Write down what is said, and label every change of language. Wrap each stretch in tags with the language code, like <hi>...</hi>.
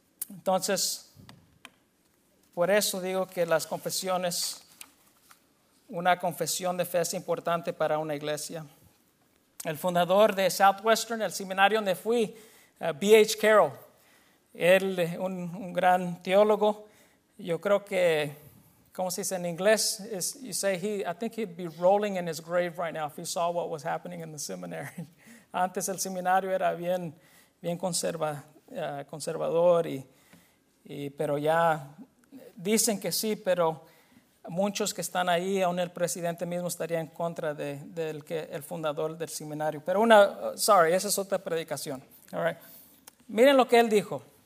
<es>Entonces, por eso digo que las confesiones, una confesión de fe es importante para una iglesia. El fundador de Southwestern, el seminario donde fui, B.H. Carroll, él, un gran teólogo, yo creo que, ¿cómo se dice en inglés?</es> <en>Is, you say he, I think he'd be rolling in his grave right now if he saw what was happening in the seminary.</en> <es>Antes el seminario era bien, bien conservador, y pero ya dicen que sí, pero muchos que están ahí, aún el presidente mismo estaría en contra del que el fundador del seminario. Pero una,</es> <en>sorry,</en> <es>esa es otra predicación.</es> <en>All right.</en> <es>Miren lo que él dijo.</es>